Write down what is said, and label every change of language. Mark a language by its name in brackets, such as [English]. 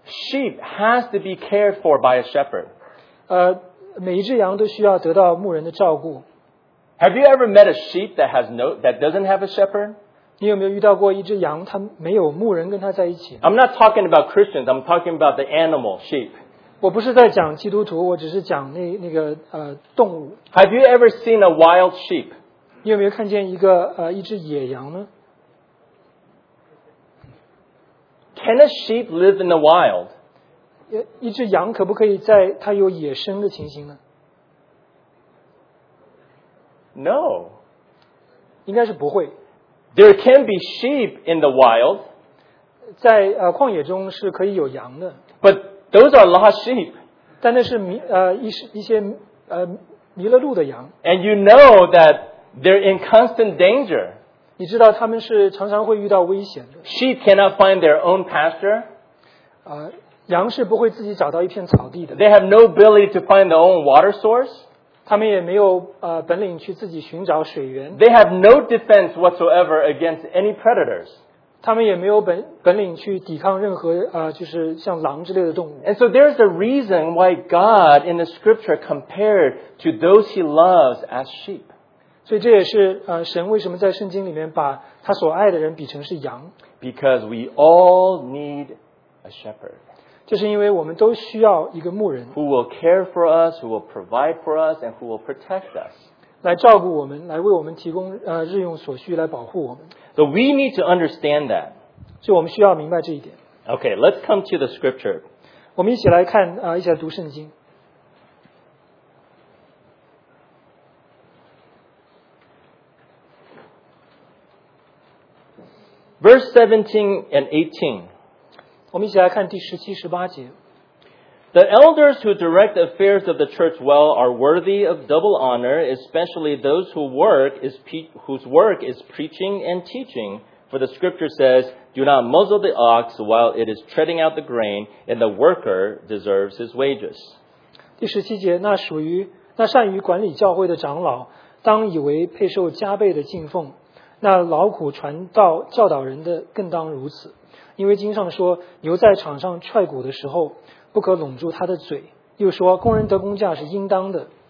[English] Sheep has to be cared for by a shepherd. [Chinese] 每一只羊都需要得到牧人的照顾。 [English] Have you ever met a sheep that doesn't have a shepherd? [Chinese] 你有没有遇到过一只羊，它没有牧人跟它在一起？ [English] I'm not talking about Christians. I'm talking about the animal sheep. [Chinese] 我不是在讲基督徒，我只是讲那个动物。 [English] Have you ever seen a wild sheep? [Chinese] 你有没有看见一只野羊呢？ [English] Can a sheep live in the wild? [Chinese] 一只羊可不可以在它有野生的情形呢？ [English] No. [Chinese] 应该是不会。 [English] There can be sheep in the wild. [Chinese] 在旷野中是可以有羊的。 [English] But those are lost sheep. [Chinese] 但那是一些迷了路的羊。 [English] And you know that they're in constant danger. [Chinese] 你知道他们是常常会遇到危险的。 [English] Sheep cannot find their own pasture. [Chinese] 羊是不会自己找到一片草地的。 [English] They have no ability to find their own water source. [Chinese] 他们也没有本领去自己寻找水源。 [English] They have no defense whatsoever against any predators. [Chinese] 他们也没有 本领去抵抗任何、就是像狼之类的动物。 [English] And so there's a reason why God in the scripture compared to those he loves as sheep. [Chinese] 所以这也是、神为什么在圣经里面把他所爱的人比成是羊。 [English] Because we all need a shepherd. [Chinese] 就是因为我们都需要一个牧人。 [English] Who will care for us, who will provide for us, and who will protect us. [Chinese] 来照顾我们，来为我们提供、日用所需，来保护我们。 [English] So we need to understand that. [Chinese] 所以我们需要明白这一点。 [English] Okay, let's come to the scripture. [Chinese] 我们一起来看、一起来读圣经。 [English] Verse 17 and 18. [Chinese] 我们一起来看第十七、十八节。 [English] The elders who direct the affairs of the church well are worthy of double honor, especially those whose work is preaching and teaching. For the scripture says, Do not muzzle the ox while it is treading out the grain, and the worker deserves his wages. [Chinese] 第十七节，那善于管理教会的长老，当以为配受加倍的敬奉，那劳苦传道教导人的更当如此。因为经上说，牛在场上踹骨的时候，不可拢住他的嘴，又说工人得工价是应当的。